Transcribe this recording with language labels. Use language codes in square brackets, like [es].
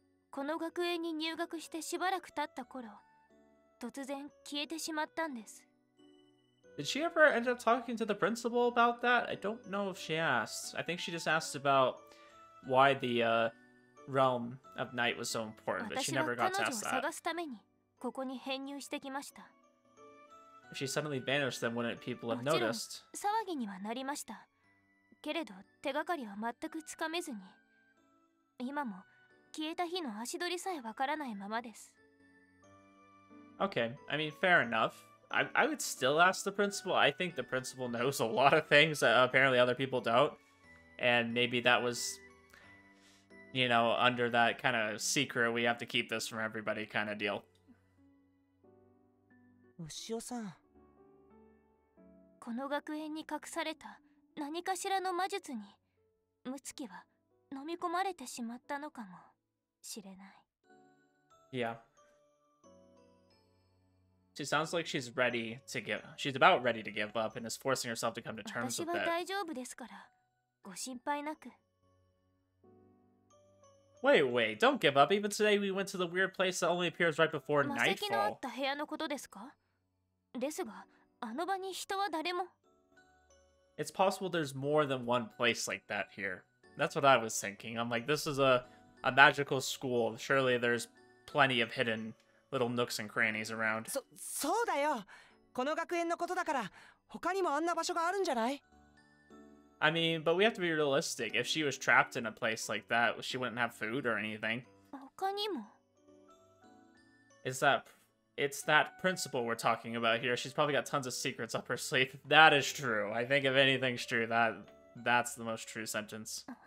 [ja] この学園に入学してしばらく経った頃、突然消えてしまったんです。 [en] Did she ever end up talking to the principal about that? I don't know if she asked. I think she just asked about why the realm of night was so important, but she never got to ask that. [ja] 探すためにここに編入してきました。 [en] If she suddenly vanished, then wouldn't people have noticed? [ja] もちろん騒ぎにはなりました。けれど手がかりは全くつかめずに。今も消えた日の足取りさえわからないままです。 [en] Okay, I mean, fair enough. I would still ask the principal. I think the principal knows a lot of things that apparently other people don't. And maybe that was, you know, under that kind of secret, we have to keep this from everybody kind of deal. Ushio-san. [ja] この学園に隠された何かしらの魔術に、ムツキは飲み込まれてしまったのかもしれない。 [en] Yeah. She sounds like she's ready to give. She's about ready to give up and is forcing herself to come to terms with that. [ja] 私は大丈夫ですから、ご心配なく。 [en] Wait, wait, don't give up. Even today we went to the weird place that only appears right before nightfall. [ja] 魔石のあった部屋のことですか？ですが、あの場に人は誰も。 [en] It's possible there's more than one place like that here. That's what I was thinking. I'm like, this is a magical school. Surely there's plenty of hidden little nooks and crannies around. [ja] そうだよ。この学園のことだから、他にもあんな場所があるんじゃない？ [en] I mean, but we have to be realistic. If she was trapped in a place like that, she wouldn't have food or anything. [ja] 他にも。 [en] It's that principle we're talking about here. She's probably got tons of secrets up her sleeve. That is true. I think if anything's true, that's the most true sentence.